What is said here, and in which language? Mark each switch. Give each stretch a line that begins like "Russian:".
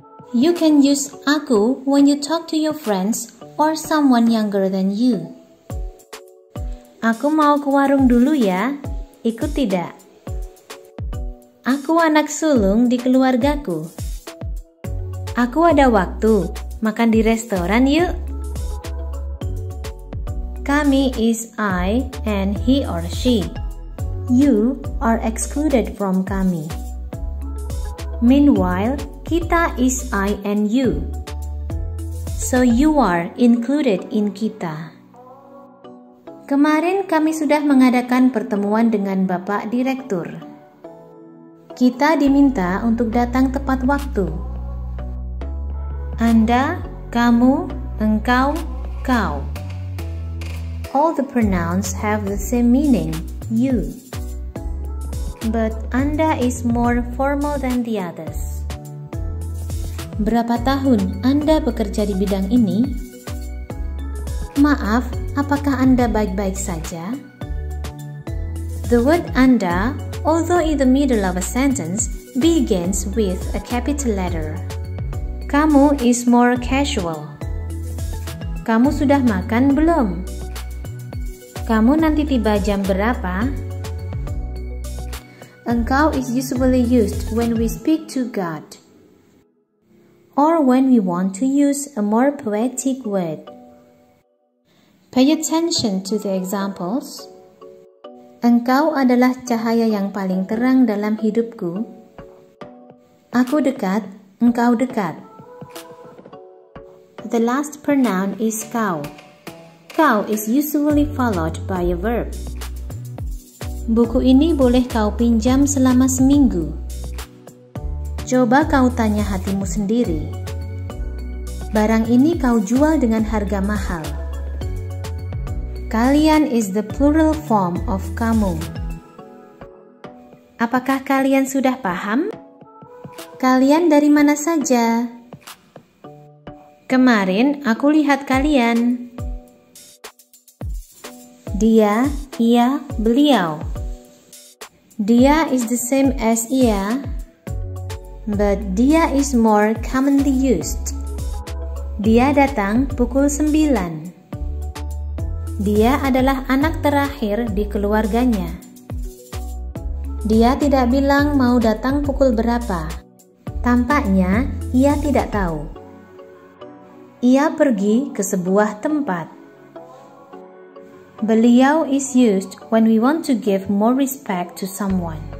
English: You can use aku when you talk to your friends or someone younger than you.
Indonesian: Aku mau ke warung dulu ya, ikut tidak? Aku anak sulung di keluargaku. Aku ada waktu, makan di restoran yuk.
English: Kami is I and he or she. You are excluded from kami. Meanwhile, kita is I and you. So you are included in kita.
Indonesian: Kemarin kami sudah mengadakan pertemuan dengan Bapak Direktur. Kita diminta untuk datang tepat waktu. Anda, kamu, engkau, kau.
English: All the pronouns have the same meaning, you. But anda is more formal than the others.
Indonesian: Berapa tahun anda bekerja di bidang ini? Maaf, apakah anda baik-baik saja?
English: The word anda, although in the middle of a sentence, begins with a capital letter. Kamu is more casual.
Indonesian: Kamu sudah makan belum? Kamu nanti tiba jam berapa?
English: Engkau is usually used when we speak to God, or when we want to use a more poetic word. Pay attention to the examples.
Indonesian: Engkau adalah cahaya yang paling terang dalam hidupku. Aku dekat, engkau dekat.
English: The last pronoun is kau. Kau is usually followed by a verb.
Indonesian: Buku ini boleh kau pinjam selama seminggu. Coba kau tanya hatimu sendiri. Barang ini kau jual dengan harga mahal.
English: Kalian is the plural form of kamu.
Indonesian: Apakah kalian sudah paham? Kalian dari mana saja? Kemarin aku lihat kalian. Dia, ia, beliau.
English: Dia is the same as ia, but dia is more commonly used.
Indonesian: Dia datang pukul 9. Dia adalah anak terakhir di keluarganya. Dia tidak bilang mau datang pukul berapa. Tampaknya ia tidak tahu. Ia pergi ke sebuah tempat.
English: Beliau is used when we want to give more respect to someone.